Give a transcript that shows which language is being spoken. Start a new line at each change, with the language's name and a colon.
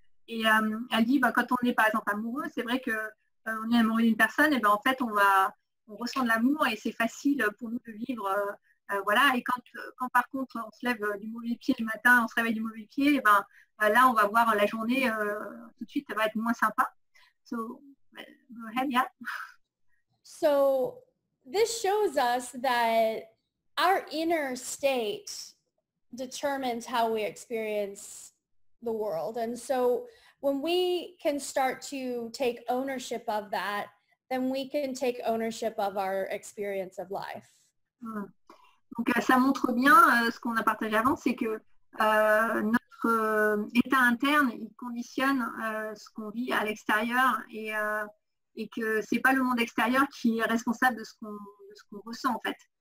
French: Et elle dit, bah, quand on est par exemple amoureux, c'est vrai que on est amoureux d'une personne, et ben en fait, on ressent de l'amour et c'est facile pour nous de vivre, voilà. Et quand par contre, on se lève du mauvais pied le matin, on se réveille du mauvais pied, et ben là, on va voir la journée tout de suite, ça va être moins sympa.
English: So, go ahead, yeah. So this shows us that our inner state determines how we experience the world. And so when we can start to take ownership of that, then we can take ownership of our experience of life.
French: Donc ça montre bien ce qu'on a partagé avant, c'est que notre état interne, il conditionne ce qu'on vit à l'extérieur et que c'est pas le monde extérieur qui est responsable de ce qu'on ressent, en fait.